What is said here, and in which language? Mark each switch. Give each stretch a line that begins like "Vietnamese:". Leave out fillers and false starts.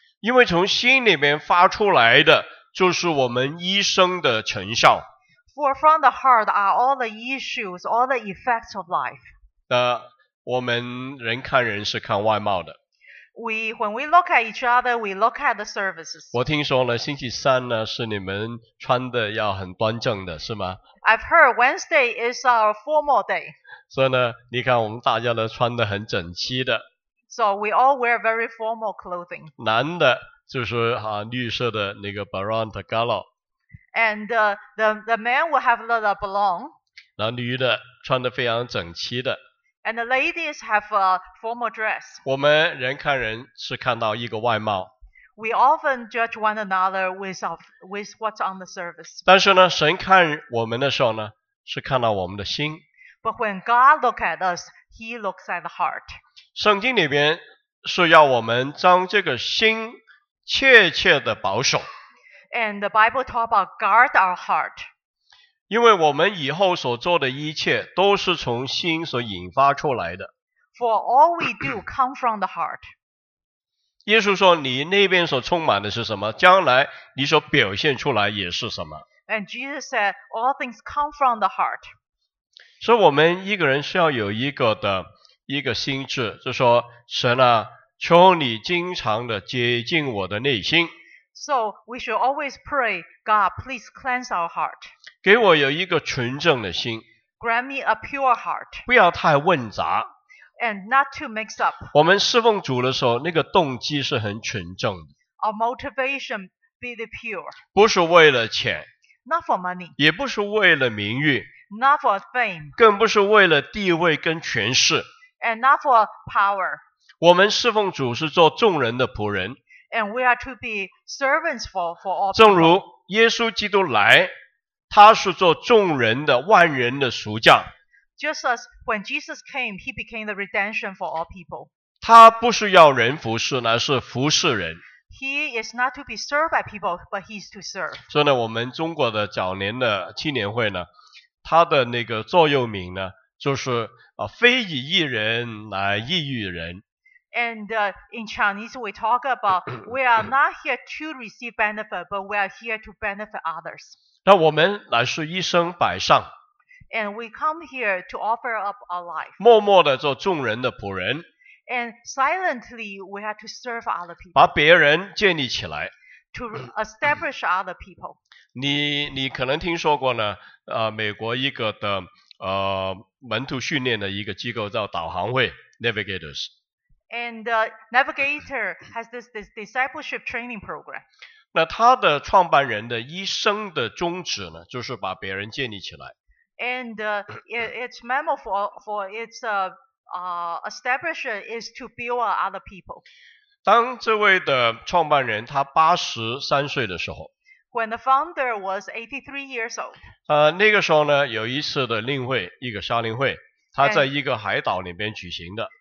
Chinese: 因为从心里面发出来的就是我们一生的成效。
English: For from the heart are all the issues, all the effects of life.
Chinese: 我们人看人是看外貌的。
English: When we look at each other, we look at the services.
Chinese: 我听说呢，星期三呢是你们穿的要很端正的，是吗
English: ？I've heard Wednesday is our formal day.
Chinese: 所以呢，你看我们大家呢穿的很整齐的。
English: So we all wear very formal clothing.
Chinese: 男的就是啊绿色的那个 Baron Tagalo.
English: And the man will have the blonde.
Chinese: 然后女的穿的非常整齐的。
English: And the ladies have a formal dress.
Chinese: 我们人看人是看到一个外貌。
English: We often judge one another with what's on the surface.
Chinese: 但是呢，神看我们的时候呢，是看到我们的心。
English: But when God looks at us, He looks at the heart.
Chinese: 圣经里边是要我们将这个心切切的保守。
English: And the Bible talks about guard our heart.
Chinese: 因为我们以后所做的一切都是从心所引发出来的。
English: For all we do come from the heart.
Chinese: 耶稣说你那边所充满的是什么，将来你所表现出来也是什么。
English: And Jesus said, all things come from the heart.
Chinese: 所以我们一个人是要有一个心智，就是说神啊，求你经常的洁净我的内心。
English: So we should always pray, God, please cleanse our heart.
Chinese: 给我有一个纯正的心。
English: Grant me a pure heart.
Chinese: 不要太混杂。
English: And not too mixed up.
Chinese: 我们侍奉主的时候，那个动机是很纯正的。
English: Our motivation be the pure.
Chinese: 不是为了钱。
English: Not for money.
Chinese: 也不是为了名誉。
English: Not for fame.
Chinese: 更不是为了地位跟权势。
English: And not for power.
Chinese: 我们侍奉主是做众人的仆人。
English: And we are to be servants for all people.
Chinese: 正如耶稣基督来，他是做众人的万人的赎价。
English: Just as when Jesus came, he became the redemption for all people.
Chinese: 他不是要人服侍，乃是服侍人。
English: He is not to be served by people, but he is to serve.
Chinese: 所以呢，我们中国的早年的青年会呢，他的那个座右铭呢，就是啊，非以一人乃异于人。
English: And in Chinese, we talk about we are not here to receive benefit, but we are here to benefit others.
Chinese: 那我们乃是一生摆上。
English: And we come here to offer up our life.
Chinese: 默默地做众人的仆人。
English: And silently, we are to serve other people.
Chinese: 把别人建立起来。
English: To establish other people.
Chinese: 你可能听说过呢，美国一个的门徒训练的一个机构叫导航会 Navigators。
English: And the Navigator has this discipleship training program.
Chinese: 那他的创办人的一生的宗旨呢，就是把别人建立起来。
English: And its memo for its establishment is to build other people.
Chinese: 当这位的创办人他83岁的时候
English: ，When the founder was 83 years old.
Chinese: 那个时候呢，有一次的令会，一个夏令会，他在一个海岛里边举行的。